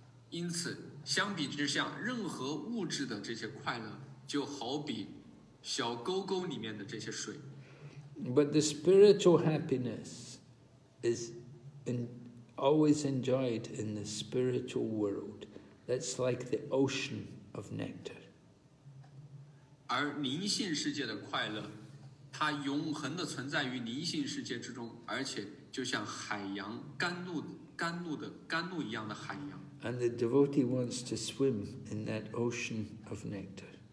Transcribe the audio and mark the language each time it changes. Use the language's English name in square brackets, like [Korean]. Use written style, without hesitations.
[Chinese] 因此,相比之下, 任何物质的这些快乐, 就好比小沟沟里面的这些水。 [English] But the spiritual happiness is always enjoyed in the spiritual world. That's like the ocean of nectar. [Chinese] 而灵性世界的快乐, 它永恒地存在于灵性世界之中, 而且就像海洋,甘露一样的海洋。 [English] And the devotee wants to swim in that ocean of nectar.